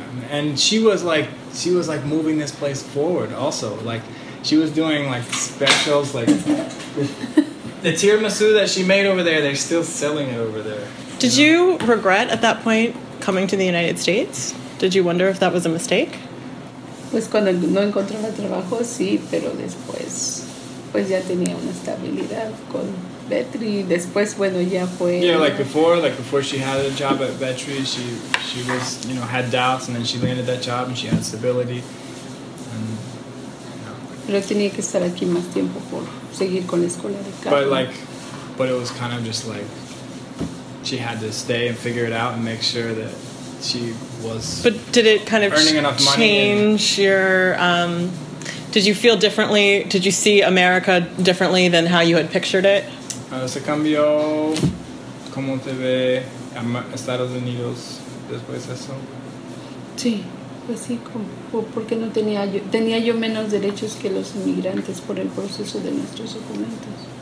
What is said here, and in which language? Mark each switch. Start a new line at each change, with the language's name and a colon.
English: And she was like moving this place forward also. Like, she was doing like specials, like the tiramisu that she made over there, they're still selling it over there. Did you regret at that point coming to the United States? Did you wonder if that was a mistake?
Spanish: Pues cuando no encontraba trabajo, sí, pero después, pues ya tenía una estabilidad con Vetri. Después, bueno, ya fue.
English: Yeah, like before she had a job at Vetri, she was, you know, had doubts, and then she landed that job and she had stability.
Spanish: Pero tenía que estar aquí más tiempo por seguir con la escuela de carro.
English: But it was kind of just like, she had to stay and figure it out and make sure that she was. But did it kind of earning enough money change in, your? Did you feel differently? Did you see America differently than how you had pictured it?
Spanish: Se cambió cómo te ve Estados Unidos después de eso. Sí, pues sí, porque no tenía yo menos derechos que los inmigrantes por el proceso de nuestros documentos.